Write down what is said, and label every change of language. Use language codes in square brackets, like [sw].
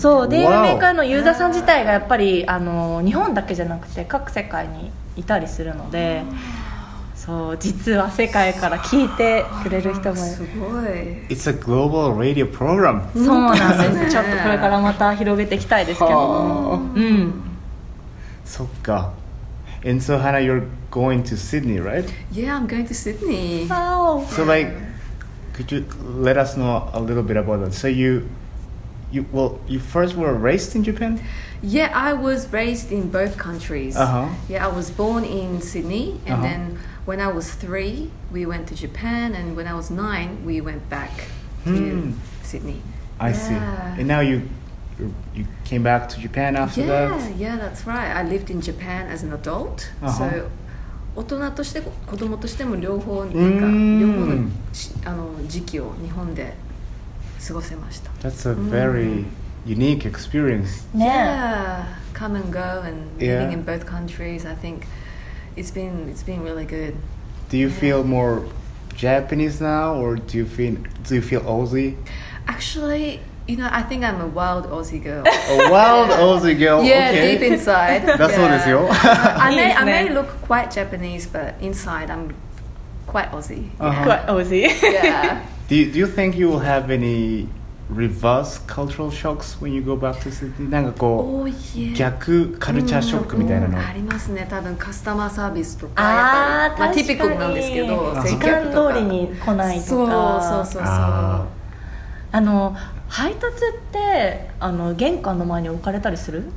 [ja] そう、 DMM カのユーザーさん自体がやっぱり日本だけじゃなくて各世界にいたりするので、そう、実は世界から聞いてくれる人もすごい。 [en] It's a global radio program。 [ja] そうなんです。ちょっとこれからまた広げていきたいですけども、そっか。 [en] And so Hannah, you're going to Sydney, right? Yeah, I'm going to Sydney. Wow. So could you let us know a little bit about that? So you first were raised in Japan? Yeah, I was raised in both countries. Uh-huh. Yeah, I was born in Sydney. And then when I was 3, we went to Japan. And when I was 9, we went back to Sydney. I see. And now you came back to Japan after that? Yeah, that's right. I lived in Japan as an adult. So [ja] 大人として子供としても両方なんか両方のあの時期を日本で過ごせました。 [en] That's a very unique experience. Yeah, come and go and living in both countries. I think it's been really good. Do you feel more Japanese now, or do you feel Aussie? Actually, you know, I think I'm a wild Aussie girl. A wild Aussie girl. Yeah, okay. Deep inside. That's what it's your. I may look quite Japanese, but inside I'm quite Aussie. Uh-huh. Yeah. Quite Aussie. Yeah. Do you think you will have any reverse cultural shocks when you go back to Sydney? [ja] なんかこう、 [en] oh, yeah. [ja] 逆カルチャーショックみたいなの、うん、ありますね。多分カスタマーサービスとか、やっぱり、まあ、ティピコなんですけど、時間通りに来ないとか、そう。あの配達ってあの玄関の前に置かれたりする？